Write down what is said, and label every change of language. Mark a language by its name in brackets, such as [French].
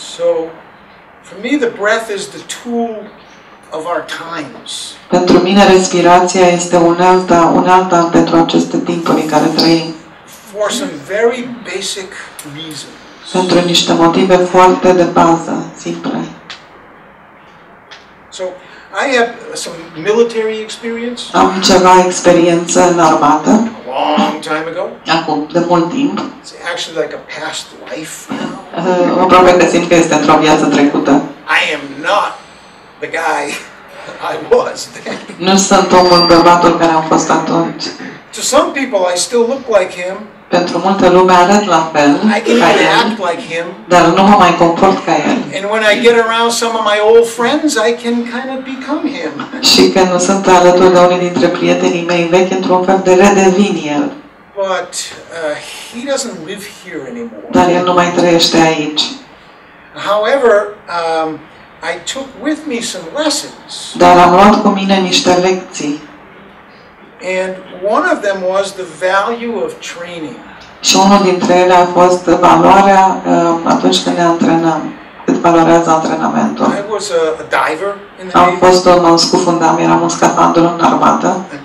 [English] So, for me the breath is the tool of our times. [Romanian] Pentru mine respirația este unealta pentru aceste timpuri în care trăim. [English] For some very basic reasons. [Romanian] Pentru niște motive foarte de bază, simple. [English] So, I have some military experience. [Romanian] Am ceva experiență în armată. [English] A long time ago. [Romanian] Acum, de mult timp. [English] It's actually like a past life. [Romanian] Aproape că simt că este într-o viață trecută. [English] I am not the guy I was then. [Romanian] Nu sunt omul bărbatul care am fost atunci. [English] To some people I still look like him. [Romanian] Pentru multă lume arăt la fel ca el, [English] like him, [Romanian] dar nu mă mai comport ca el. [English] And when I get around some of my old friends, I can kind of become him. [Romanian] Și când nu sunt alături de unii dintre prietenii mei vechi, într-un fel de redevin el. [English] But he doesn't live here anymore. [Romanian] Dar el nu mai trăiește aici. [English] However, I took with me some lessons. [Romanian] Dar am luat cu mine niște lecții. [English] And one of them was the value of training. [Romanian] Și unul dintre ele a fost valoarea atunci când ne antrenăm, cât valorează antrenamentul. [English] I was a diver in the Navy. [Romanian] Am fost un scufundam, eram un scafandru în armată.